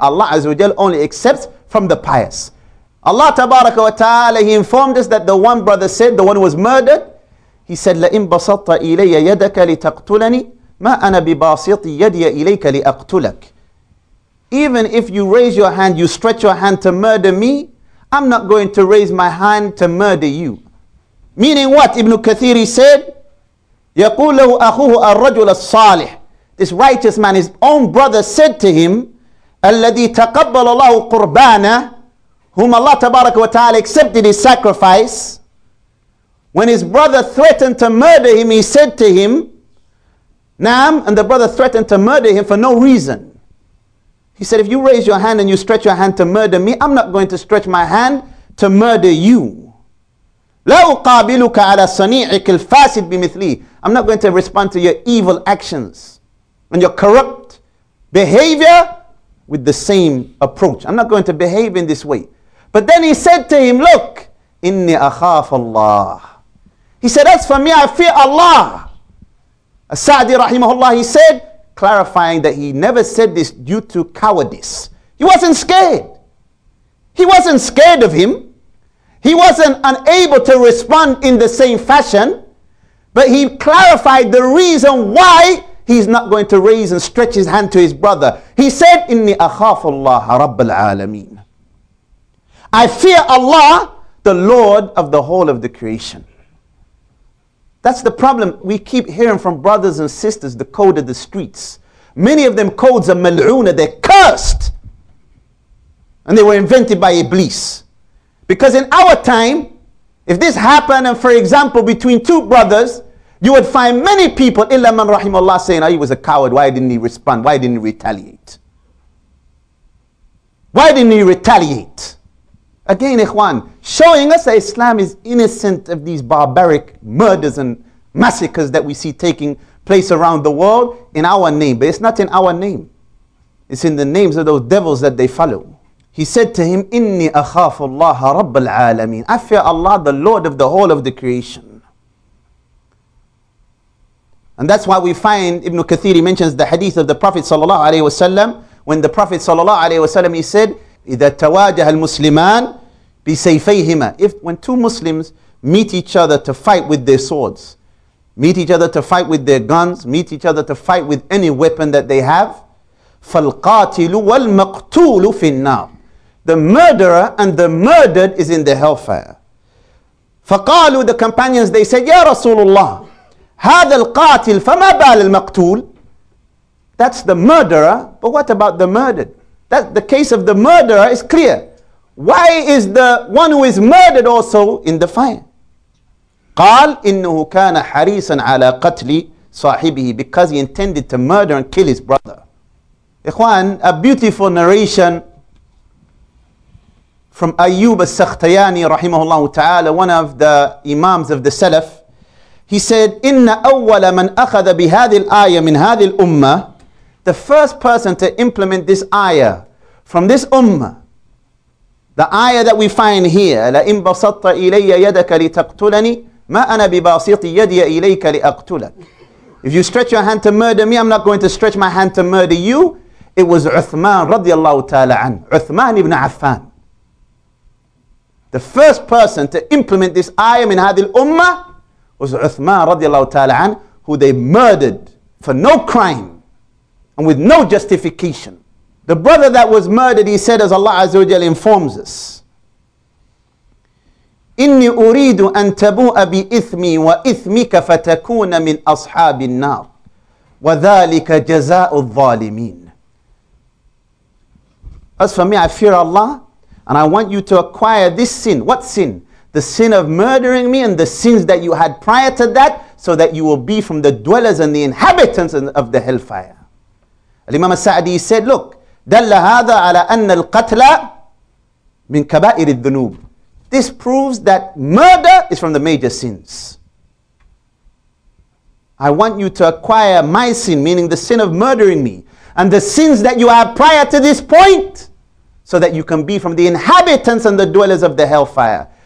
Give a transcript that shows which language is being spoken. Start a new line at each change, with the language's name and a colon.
English: Allah Azza wa Jal only accepts from the pious. Allah tabaraka wa ta'ala, he informed us that the one brother said, the one who was murdered, he said,
Arabic: لَإِن بَسَطَ إِلَيَّ يَدَكَ لِتَقْتُلَنِي مَا أَنَا بِبَاسِطِ يَدِيَ إِلَيْكَ لِأَقْتُلَكَ.
English: Even if you raise your hand, you stretch your hand to murder me, I'm not going to raise my hand to murder you. Meaning what? Ibn Kathir said,
Arabic: يَقُولَ لَهُ أَخُوهُ الرَّجُلَ الصَّالِحِ.
English: This righteous man, his own brother said to him,
Arabic: الَّذِي تَقَبَّلَ اللَّهُ قُرْبَانَ,
English: whom Allah tabaraka wa ta'ala accepted his sacrifice. When his brother threatened to murder him, he said to him, Naam, and the brother threatened to murder him for no reason. He said, if you raise your hand and you stretch your hand to murder me, I'm not going to stretch my hand to murder you.
Arabic: لا أقابلك على صنيعك الفاسد بمثلي.
English: I'm not going to respond to your evil actions and your corrupt behavior with the same approach. I'm not going to behave in this way. But then he said to him, look,
Arabic: إني أخاف الله.
English: He said, as for me, I fear Allah. As-Sa'di rahimahullah, he said, clarifying that he never said this due to cowardice. He wasn't scared. He wasn't scared of him. He wasn't unable to respond in the same fashion, but he clarified the reason why he's not going to raise and stretch his hand to his brother. He said,
Arabic: إني أخاف الله رب العالمين.
English: I fear Allah, the Lord of the whole of the creation. That's the problem we keep hearing from brothers and sisters, the code of the streets. Many of them codes are mal'una, they're cursed. And they were invented by Iblis. Because in our time, if this happened, and for example, between two brothers, you would find many people, illa man rahimallah, saying, oh, he was a coward, why didn't he respond? Why didn't he retaliate? Why didn't he retaliate? Again, ikhwan, showing us that Islam is innocent of these barbaric murders and massacres that we see taking place around the world in our name. But it's not in our name. It's in the names of those devils that they follow. He said to him,
Arabic: إني أخاف الله رب العالمين.
English: I fear Allah, the Lord of the whole of the creation. And that's why we find Ibn Kathir mentions the hadith of the Prophet sallallahu alayhi wasallam, when the Prophet sallallahu alayhi wasallam, he said,
Arabic: إذا تواجه المسلمان بسيفيهما.
English: If when two Muslims meet each other to fight with their swords, meet each other to fight with their guns, meet each other to fight with any weapon that they have,
Arabic: فالقاتل والمقتول في النار.
English: The murderer and the murdered is in the hellfire.
Arabic: فقالوا,
English: the companions, they said,
Arabic: يا رسول الله, هذا القاتل فما بال المقتول.
English: That's the murderer, but what about the murdered? That the case of the murderer is clear. Why is the one who is murdered also in the fire?
Arabic: قال إنه كان حريصا على قتل صاحبه,
English: because he intended to murder and kill his brother. Ikhwan, a beautiful narration from Ayyub al-Sakhtayani rahimahullah ta'ala, one of the imams of the Salaf. He said,
Arabic: إن أول من أخذ بهذه الآية من هذه الأمة,
English: the first person to implement this ayah from this ummah, the ayah that we find here,
Arabic: لَإِن بَسَطَّ إِلَيَّ يَدَكَ لِتَقْتُلَنِي مَا أَنَا بِبَاسِطِ يَدِيَ إِلَيْكَ لِأَقْتُلَكَ.
English: If you stretch your hand to murder me, I'm not going to stretch my hand to murder you. It was Uthman radiallahu ta'ala an, Uthman ibn Affan. The first person to implement this ayah in
Arabic: هذه الأمة
English: was Uthman radiallahu ta'ala an, who they murdered for no crime and with no justification. The brother that was murdered, he said, as Allah Azza wa Jalla informs us,
Arabic: إني أريد أن تبوء بإثمي وإثمك فتكون من أصحاب النار وذلك جزاء الظالمين.
English: As for me, I fear Allah, and I want you to acquire this sin. What sin? The sin of murdering me and the sins that you had prior to that, so that you will be from the dwellers and the inhabitants of the hellfire. Al-Imam al-Sa'di said, look,
Arabic: دَلَّ هَذَا عَلَىٰ أَنَّ الْقَتْلَ مِنْ كَبَائِرِ الذُّنُوبِ.
English: This proves that murder is from the major sins. I want you to acquire my sin, meaning the sin of murdering me, and the sins that you have prior to this point, so that you can be from the inhabitants and the dwellers of the hellfire.